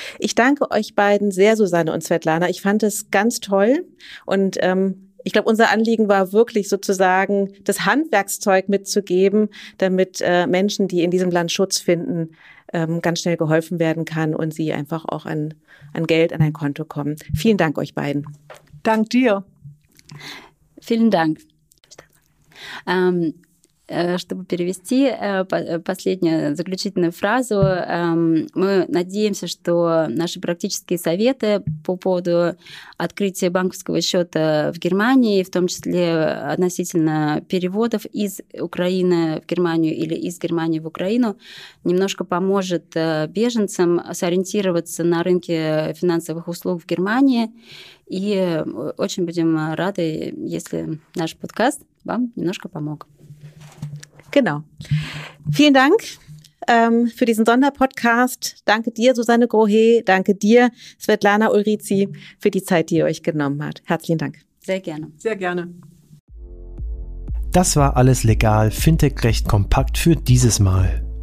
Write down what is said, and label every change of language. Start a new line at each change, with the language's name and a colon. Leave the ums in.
German: Ich danke euch beiden sehr, Susanne und Svetlana. Ich fand es ganz toll und ähm, ich glaube, unser Anliegen war wirklich sozusagen das Handwerkszeug mitzugeben, damit äh, Menschen, die in diesem Land Schutz finden, ähm, ganz schnell geholfen werden kann und sie einfach auch an, an Geld, an ein Konto kommen. Vielen Dank euch beiden. Dank dir. Vielen Dank.
Russian: Ähm чтобы перевести последнюю заключительную фразу, мы надеемся, что наши практические советы по поводу открытия банковского счета в Германии, в том числе относительно переводов из Украины в Германию или из Германии в Украину, немножко поможет беженцам сориентироваться на рынке финансовых услуг в Германии. И очень будем рады, если наш подкаст вам немножко помог.
German: Genau. Vielen Dank ähm, für diesen Sonderpodcast. Danke dir, Susanne Grohe. Danke dir, Svetlana Ulrizi, für die Zeit, die ihr euch genommen habt. Herzlichen Dank. Sehr gerne. Sehr gerne. Das war alles legal, Fintech-Recht kompakt für dieses Mal.